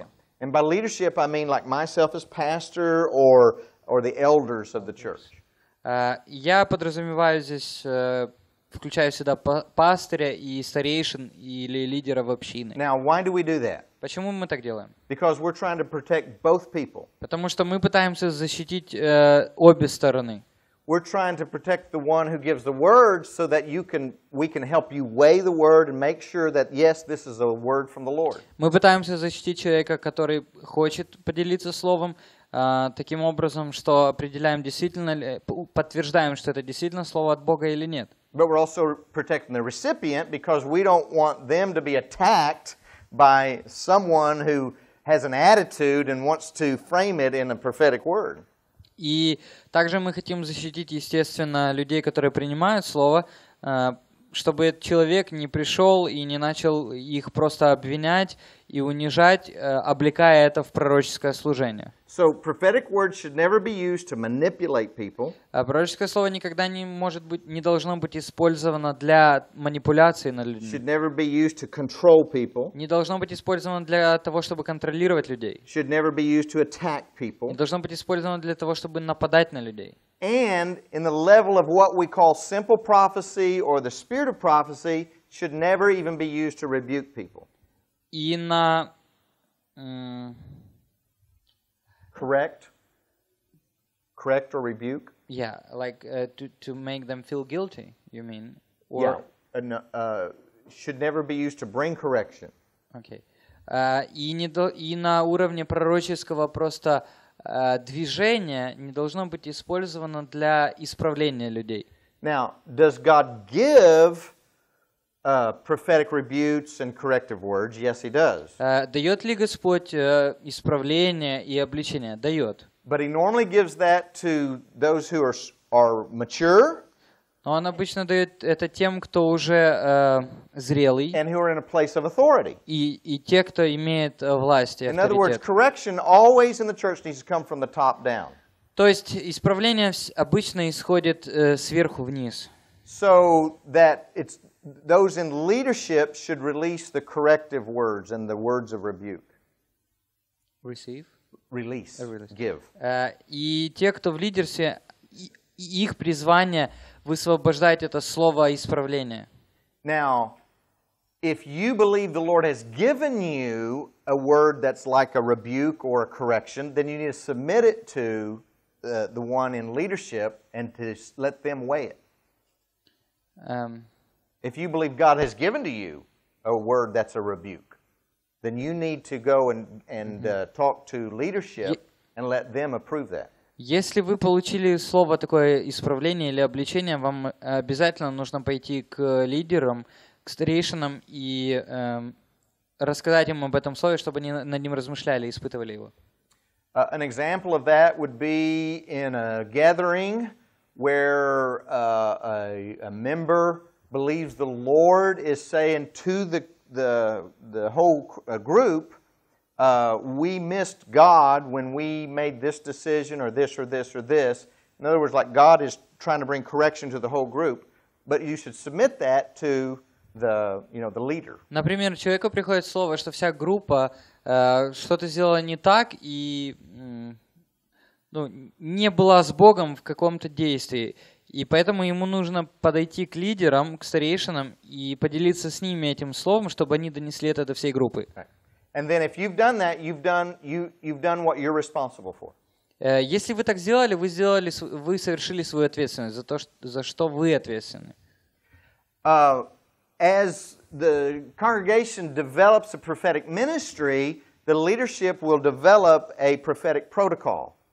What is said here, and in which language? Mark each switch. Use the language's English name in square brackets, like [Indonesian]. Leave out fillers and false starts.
[English] Yeah. And by leadership, I mean like myself as pastor or the elders of the church. [Russian] Я подразумеваю здесь, включаю сюда пастыря и старейшин или лидеров общины. [English] Now, why do we do that? [Russian] Почему мы так делаем? [English] Because we're trying to protect both people. [Russian] Потому что мы пытаемся защитить обе стороны. [English] We're trying to protect the one who gives the word so that we can help you weigh the word and make sure that yes, this is a word from the Lord. [Russian] Мы пытаемся защитить человека, который хочет поделиться словом, таким образом, что определяем действительно ли, подтверждаем, что это действительно слово от Бога или нет. [English] But we're also protecting the recipient because we don't want them to be attacked by someone who has an attitude and wants to frame it in a prophetic word. [Russian] И также мы хотим защитить, естественно, людей, которые принимают слово, чтобы этот человек не пришел и не начал их просто обвинять и унижать, облекая это в пророческое служение. [English] So, prophetic word should never be used to manipulate people. [Russian] Пророческое слово никогда не должно быть использовано для манипуляции над людьми. [English] Should never be used to control people. [Russian] Не должно быть использовано для того, чтобы контролировать людей. [English] Should never be used to attack people. [Russian] Не должно быть использовано для того, чтобы нападать на людей. [English] And in the level of what we call simple prophecy or the spirit of prophecy, should never even be used to rebuke people. [Russian] И на [English] Correct or rebuke? Yeah, like to make them feel guilty, you mean? Or yeah, should never be used to bring correction. Okay. [Russian] И на уровне пророческого просто движения не должно быть использовано для исправления людей. [English] Now, does God give prophetic rebukes and corrective words? Yes, he does. [Russian] Дает ли Господь исправление и обличение? Дает. [English] But he normally gives that to those who are mature. [Russian] Но он обычно дает это тем, кто уже зрелый. [English] And who are in a place of authority. [Russian] И те, кто имеет власть и авторитет. [English] In other words, correction always in the church needs to come from the top down. [Russian] То есть исправление обычно исходит сверху вниз. [English] So that it's those in leadership should release the corrective words and the words of rebuke. Receive? Release. Release. Give. [Russian] И те, кто в лидерстве, их призвание высвобождать это слово исправления. [English] Now, if you believe the Lord has given you a word that's like a rebuke or a correction, then you need to submit it to the one in leadership and to let them weigh it. If you believe God has given to you a word that's a rebuke, then you need to go talk to leadership and let them approve that. [Russian] Если вы получили слово такое исправление или обличение, вам обязательно нужно пойти к лидерам, к старейшинам и рассказать им об этом слове, чтобы они над ним размышляли, испытывали его. [English] An example of that would be in a gathering where a member believes the Lord is saying to the whole group, we missed God when we made this decision or this or this or this. In other words, like God is trying to bring correction to the whole group, but you should submit that to the leader. [Russian] Например, человеку приходит слово, что вся группа что-то сделала не так и не была с Богом в каком-то действии. И поэтому ему нужно подойти к лидерам, к старейшинам и поделиться с ними этим словом, чтобы они донесли это до всей группы. [English] And then if you've done that, you've done what you're responsible for. [Russian] Если вы так сделали, вы совершили свою ответственность за то, за что вы ответственны. [English] As the congregation develops a prophetic ministry, the leadership will develop a prophetic protocol.